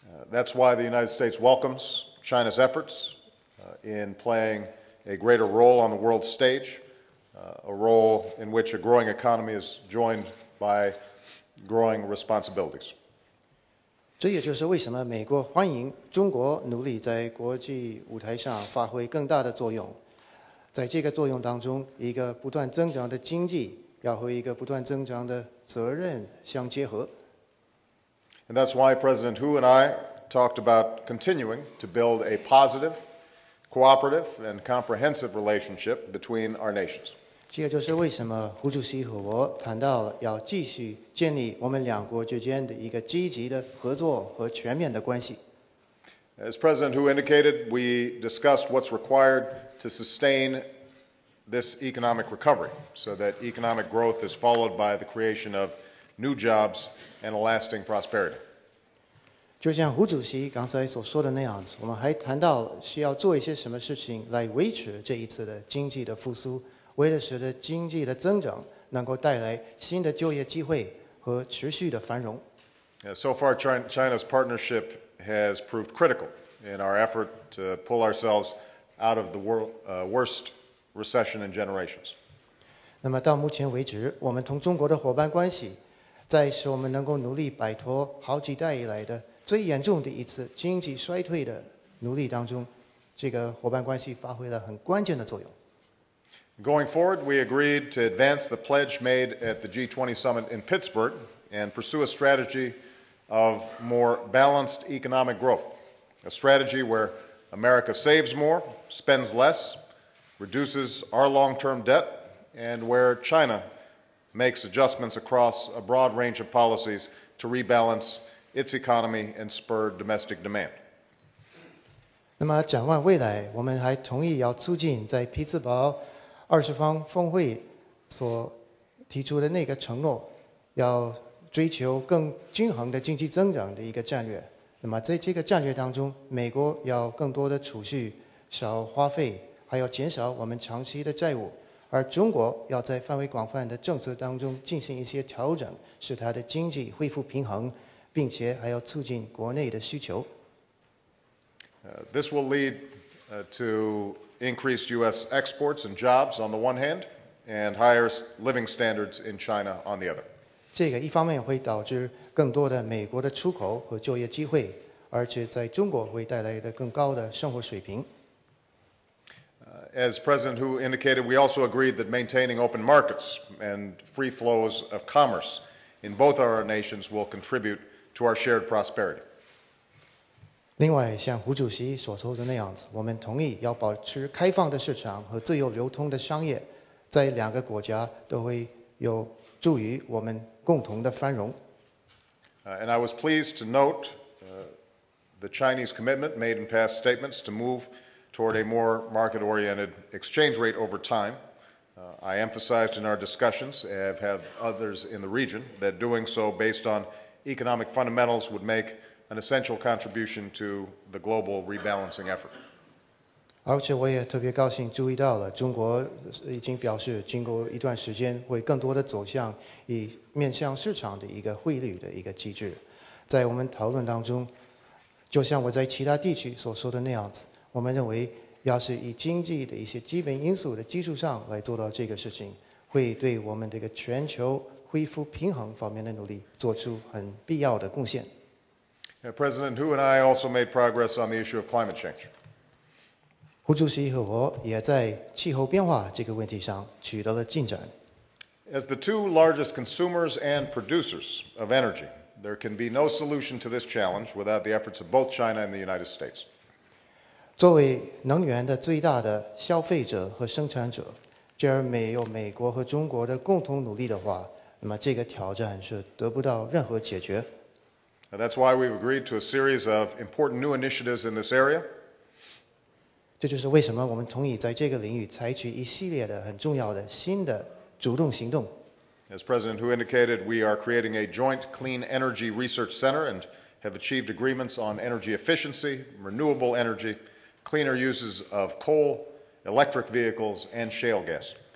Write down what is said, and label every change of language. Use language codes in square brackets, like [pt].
[en] That's why the United States welcomes China's efforts in playing a greater role on the world stage, a role in which a growing economy is joined by growing responsibilities. [zh] 这也就是为什么美国欢迎中国努力在国际舞台上发挥更大的作用。在这个作用当中，一个不断增长的经济要和一个不断增长的责任相结合。 [en] And that's why President Hu and I talked about continuing to build a positive, cooperative, and comprehensive relationship between our nations. [zh] 这也就是为什么胡主席和我谈到了要继续建立我们两国之间的一个积极的合作和全面的关系。 [en] As President Hu indicated, we discussed what's required to sustain this economic recovery so that economic growth is followed by the creation of new jobs and a lasting prosperity. [zh] 就像胡主席刚才所说的那样子，我们还谈到需要做一些什么事情来维持这一次的经济的复苏，为了使得经济的增长能够带来新的就业机会和持续的繁荣。 [en] So far, China's partnership has proved critical in our effort to pull ourselves out of the worst recession in generations. [zh] 那么到目前为止，我们同中国的伙伴关系，在使我们能够努力摆脱好几代以来的最严重的一次经济衰退的努力当中，这个伙伴关系发挥了很关键的作用。 [en] Going forward, we agreed to advance the pledge made at the G20 summit in Pittsburgh and pursue a strategy of more balanced economic growth, a strategy where America saves more, spends less, reduces our long-term debt, and where China makes adjustments across a broad range of policies to rebalance its economy and spur domestic demand. [zh] 那么展望未来，我们还同意要促进在匹兹堡二十方峰会所提出的那个承诺，要追求更均衡的经济增长的一个战略。那么在这个战略当中，美国要更多的储蓄，少花费，还要减少我们长期的债务，而中国要在范围广泛的政策当中进行一些调整，使它的经济恢复平衡，并且还要促进国内的需求。 [en] This will lead to increased U.S. exports and jobs on the one hand, and higher living standards in China on the other. [zh] 这个一方面会导致更多的美国的出口和就业机会，而且在中国会带来的更高的生活水平。 [en] As President Hu indicated, we also agreed that maintaining open markets and free flows of commerce in both our nations will contribute to our shared prosperity. [zh] 另外，像胡主席所说的那样子，我们同意要保持开放的市场和自由流通的商业，在两个国家都会有助于我们共同的繁荣。 [en] And I was pleased to note the Chinese commitment made in past statements to move toward a more market-oriented exchange rate over time. I emphasized in our discussions, as have others in the region, that doing so based on economic fundamentals would make an essential contribution to the global rebalancing effort. [zh] 而且我也特别高兴注意到了，中国已经表示，经过一段时间会更多的走向以面向市场的一个汇率的一个机制。在我们讨论当中，就像我在其他地区所说的那样子，我们认为要是以经济的一些基本因素的基础上来做到这个事情，会对我们这个全球恢复平衡方面的努力做出很必要的贡献。 [en] President Hu and I also made progress on the issue of climate change. [zh] 胡主席和我也在气候变化这个问题上取得了进展。 [en] As the two largest consumers and producers of energy, there can be no solution to this challenge without the efforts of both China and the United States. [zh] 作为能源的最大的消费者和生产者，假如没有美国和中国的共同努力的话，那么这个挑战是得不到任何解决。 [en] And that's why we've agreed to a series of important new initiatives in this area. [zh] 这就是为什么我们同意在这个领域采取一系列的很重要的新的主动行动。 [en] As President Hu indicated, we are creating a joint clean energy research center and have achieved agreements on energy efficiency, renewable energy, cleaner uses of coal, electric vehicles, and shale gas.